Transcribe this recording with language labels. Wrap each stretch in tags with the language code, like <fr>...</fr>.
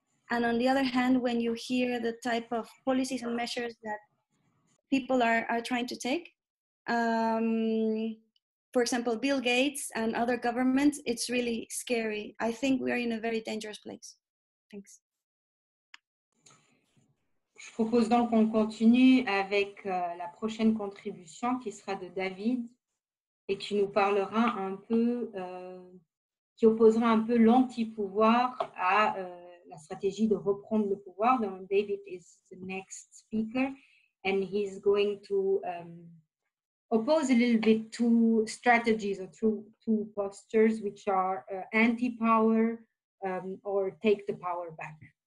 <en>And on the other hand, when you hear the type of policies and measures that people are trying to take, for example, Bill Gates and other governments, it's really scary. I think we are in a very dangerous place. Thanks.</en> <fr>Je propose donc qu'on continue avec la prochaine contribution qui sera de David et qui nous parlera un peu, qui opposera un peu l'anti-pouvoir à la stratégie de reprendre le pouvoir.</fr> <en>Donc David is the next speaker and he's going to oppose a little bit two strategies or two postures which are anti-power or take the power back.</en>